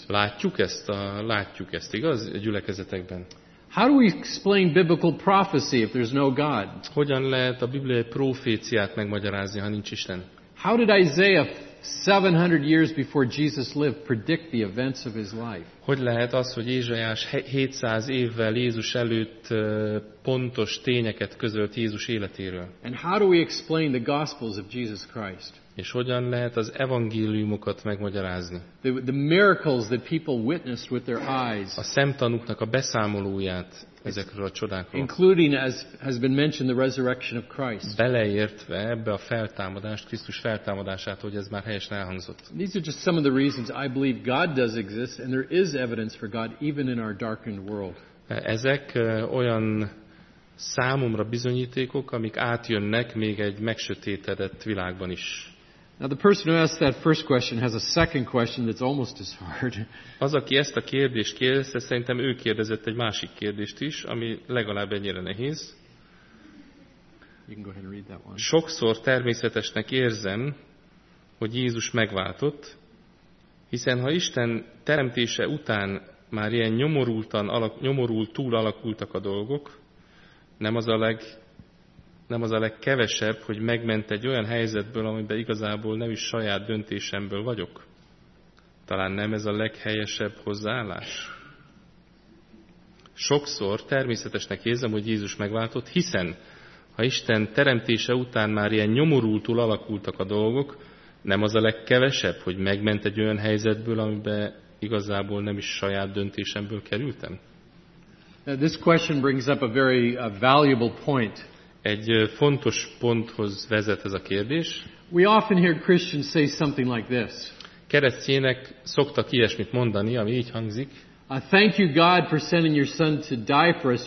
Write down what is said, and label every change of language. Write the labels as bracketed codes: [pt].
[hu] Látjuk ezt, igaz, a gyülekezetekben. [en] How do we explain biblical prophecy if there's no God? [hu] Hogyan lehet a bibliai proféciát megmagyarázni, ha nincs Isten? [en] How did Isaiah 700 years before Jesus lived predict the events of his life? [hu] Hogy lehet az, hogy Ézsaiás 700 évvel Jézus előtt pontos tényeket közölt Jézus életéről? [en] And how do we explain the gospels of Jesus Christ? [hu] És hogyan lehet az evangéliumokat megmagyarázni? [en] The miracles that people witnessed with their eyes. [hu] A szemtanúknak a beszámolóját ezekről a csodákról. [en] Including, as has been mentioned, the resurrection of Christ. [hu] Beleértve ebbe a feltámadást, Krisztus feltámadását, hogy ez már helyesen elhangzott. [en] These are just some of the reasons I believe God does exist, and there is evidence for God even in our darkened world. [hu] Ezek olyan számomra bizonyítékok, amik átjönnek még egy megsötétedett világban is. [en] Now the person who asked that first question has a second question that's almost as hard. [hu] Az, aki ezt a kérdést kérdezte, szerintem ő kérdezett egy másik kérdést is, ami legalább ennyire nehéz. [en] You can go ahead and read that one. [hu] Sokszor természetesnek érzem, hogy Jézus megváltott, hiszen ha Isten teremtése után már ilyen nyomorultul alakultak a dolgok, nem az a legkevesebb, hogy megment egy olyan helyzetből, amiben igazából nem is saját döntésemből vagyok. Talán nem ez a leghelyesebb hozzáállás. Sokszor természetesnek érzem, hogy Jézus megváltott, hiszen ha Isten teremtése után már ilyen nyomorultul alakultak a dolgok, nem az a legkevesebb, hogy megment egy olyan helyzetből, amiben igazából nem is saját döntésemből kerültem. [en] Now this question brings up a very valuable point. [hu] Egy fontos ponthoz vezet ez a kérdés. [en] We often hear Christians say something like this. [hu] Keresztények szoktak ilyesmit mondani, ami így hangzik. [en] Thank you God for sending your son to die for us.